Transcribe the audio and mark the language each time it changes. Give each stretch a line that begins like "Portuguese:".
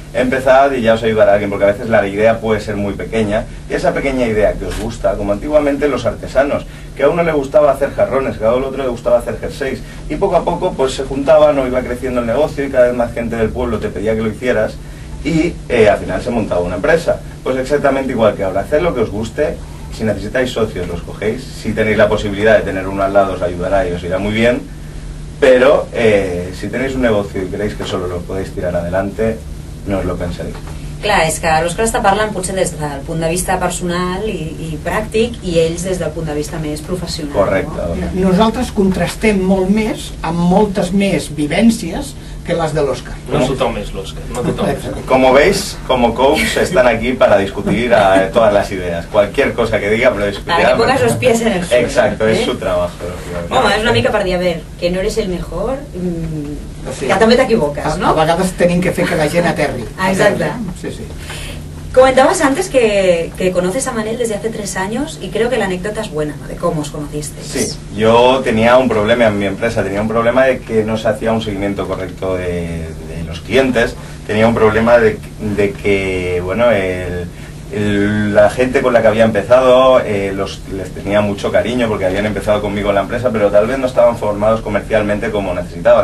Spanish: Empezad y ya os ayudará alguien, porque a veces la idea puede ser muy pequeña, y esa pequeña idea que os gusta, como antiguamente los artesanos, que a uno le gustaba hacer jarrones, que a otro le gustaba hacer jerseys, y poco a poco pues se juntaban, o iba creciendo el negocio y cada vez más gente del pueblo te pedía que lo hicieras, y al final se montaba una empresa. Pues exactamente igual que ahora, hacer lo que os guste. Si necesitáis socios, los cogéis. Si tenéis la posibilidad de tener uno al lado, os ayudará y os irá muy bien. Pero si tenéis un negocio y creéis que solo lo podéis tirar adelante, no os lo penséis.
Catalan: Clar, és que l'Òscar està parlant potser des del punt de vista personal i pràctic, i ells des del punt de vista més professional. Correcte. No? Nosaltres contrastem molt més, amb moltes més vivències, que les de l'Òscar. No tothom és l'Òscar.
Spanish: Como veis, como coach, están aquí para discutir a todas las ideas. Cualquier cosa que diga, pero discutirá. Para que pongas los pies en el suelo. Exacto, ¿eh? Es su trabajo.
Catalan: Home, és una mica per dir,
Spanish: a ver, que no eres el mejor...
Catalan: Sí. Ja també t'equivoques, no? A vegades tenim que fer que la gent aterri. Exacte. Sí.
Spanish: Comentabas antes que conoces a Manel desde hace 3 años, y creo que la anécdota es buena, de cómo os conocisteis. Sí, yo tenía un problema en mi empresa, tenía un problema de que no se hacía un seguimiento correcto de los clientes, tenía un problema de que, bueno, la gente con la que había empezado les tenía mucho cariño porque habían empezado conmigo en la empresa, pero tal vez no estaban formados comercialmente como necesitaba.